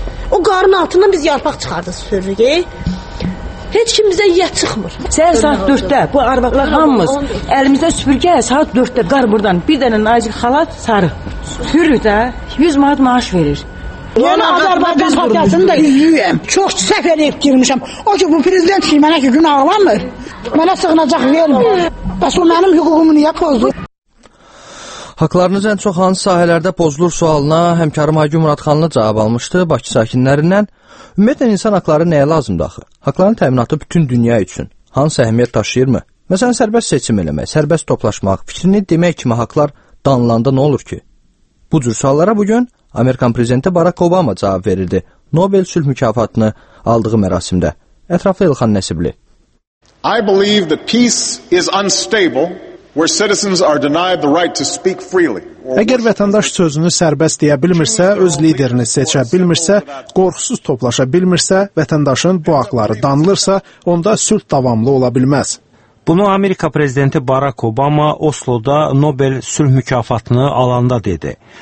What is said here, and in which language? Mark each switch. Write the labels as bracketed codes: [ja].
[az] O qarın altından biz yarpaq çıxardı sürürük. Heç kim bizə yiyə çıxmır. Səhər saat 4-də bu arvaqlar hamımız əlimizdə süpürgə saat 4-də qar burdan bir dənə nazik xalat sarı. Sürürük də 100 manat maaş verir. Yenə Azərbaycan partiyasını da izləyəm. Çox səhv eləyib girmişəm. O ki, bu prezident ki, mənə ki, gün ağlamır. Mənə sığınacaq vermir. Bəs o mənim hüququmu niyə pozdur? Haqlarınız ən çox hansı sahələrdə pozulur sualına həmkarım Aygün Muradxanlı cavab almışdı Bakı sakinlərindən. Ümumiyyətlə, insan haqları nəyə lazımdır axı? Haqların təminatı bütün dünya üçün. Hansı əhəmiyyət daşıyırmı? Məsələn, sərbəst seçim eləmək, sərbəst toplaşmaq, fikrini demək kimi haqlar danılanda nə olur ki? Bu cür suallara bugün Amerikan prezidenti Barack Obama cavab verirdi Nobel sülh mükafatını aldığı mərasimdə. Ətraflı İlxan Nəsibli. [en] I believe that peace is unstable where citizens are denied the right to speak freely. [az] Əgər vətəndaş sözünü sərbəst deyə bilmirsə, öz liderini seçə bilmirsə, qorxusuz toplaşa bilmirsə, vətəndaşın bu haqları danılırsa, onda sülh davamlı ola bilməz. Bunu Amerika prezidenti Barack Obama Oslo'da Nobel sülh mükafatını alanda dedi.